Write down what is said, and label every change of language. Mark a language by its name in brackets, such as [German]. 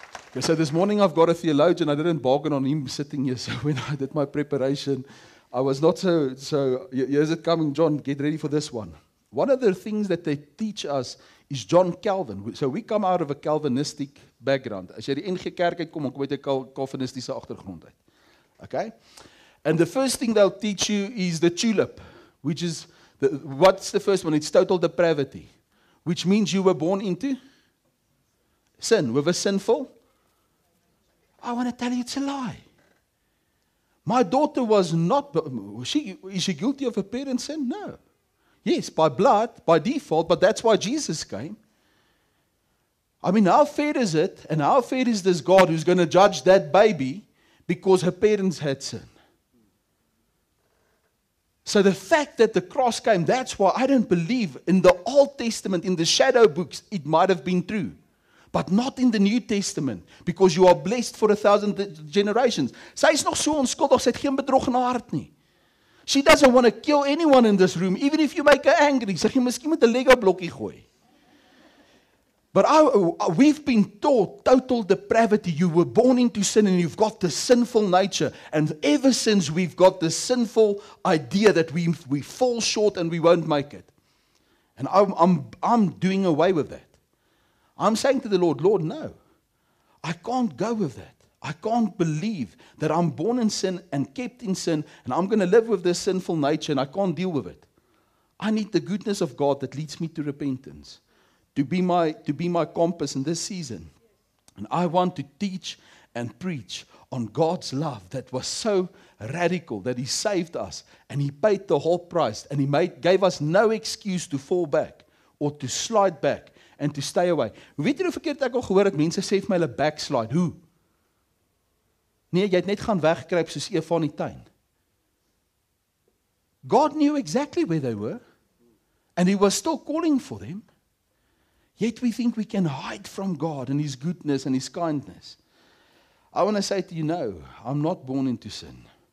[English] Okay, so this morning I've got a theologian. I didn't bargain on him sitting here. So when I did my preparation, I was not so, here's it coming, John, get ready for this one. One of the things that they teach us is John Calvin. So we come out of a Calvinistic background. [Afrikaans] As jy die NG Kerk uitkom, kom uit 'n Calvinistiese agtergrond uit. [English] Okay? And the first thing they'll teach you is the tulip, which is, what's the first one? It's total depravity, which means you were born into sin. We were sinful. I want to tell you it's a lie. My daughter was not, is she guilty of her parents' sin? No. Yes, by blood, by default, but that's why Jesus came. I mean, how fair is it, and how fair is this God who's going to judge that baby because her parents had sin? So the fact that the cross came, that's why I don't believe in the Old Testament, in the shadow books, it might have been true. But not in the New Testament, because you are blessed for 1,000 generations. [Afrikaans] Sy is nog so onskuldig, sy het geen bedrog in haar hart nie. [English] She doesn't want to kill anyone in this room, even if you make her angry. [Afrikaans] Sy gaan miskien met 'n Lego blokkie gooi. [English] But we've been taught total depravity. You were born into sin and you've got the sinful nature. And ever since we've got the sinful idea that we fall short and we won't make it. And I'm doing away with that. I'm saying to the Lord, Lord, no. I can't go with that. I can't believe that I'm born in sin and kept in sin and I'm going to live with this sinful nature and I can't deal with it. I need the goodness of God that leads me to repentance. To be my compass in this season. And I want to teach and preach on God's love that was so radical that He saved us and He paid the whole price and He gave us no excuse to fall back or to slide back and to stay away. [Afrikaans] Weet jy hoe verkeerd ek al gehoor het, mense sê vir my hulle backslide. Hoe? Nee, jy het net gaan wegkruip soos Eva in die tuin. [English] God knew exactly where they were and He was still calling for them. Yet we think we can hide from God and His goodness and His kindness. I want to say to you, no, I'm not born into sin.